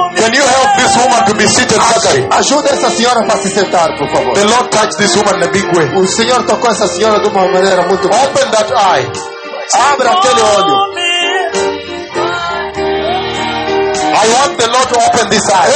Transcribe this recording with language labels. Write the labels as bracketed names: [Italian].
[English] Can you help this woman to be seated, Zachary? [Portuguese] Ajude essa senhora para se sentar, por favor. [English] The Lord touched this woman in a big way. [Portuguese] O Senhor tocou essa senhora de uma maneira muito. [English] Open that eye. [Portuguese] Abra aquele olho. [English] I want the Lord to open this eye.